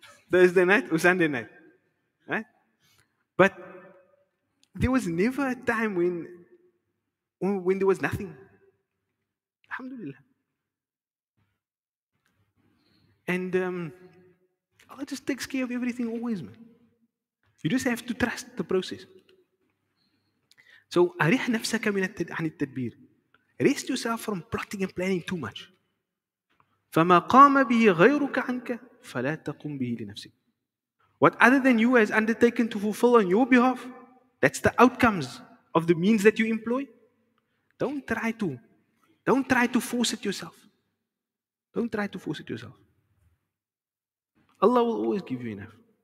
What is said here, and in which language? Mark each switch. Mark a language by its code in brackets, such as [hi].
[en] Thursday night or Sunday night. Right? But there was never a time when when there was nothing. Alhamdulillah. And Allah just takes care of everything always, man. You just have to trust the process. [ar] So, أريح نفسك من عن التدبير. [en] Rest yourself from plotting and planning too much. [ar] فما قام به غيرك عنك فلا تقوم به لنفسك. [en] What other than you has undertaken to fulfill on your behalf, that's the outcomes of the means that you employ. Don't try to force it yourself. Don't try to force it yourself. Allah will always give you enough.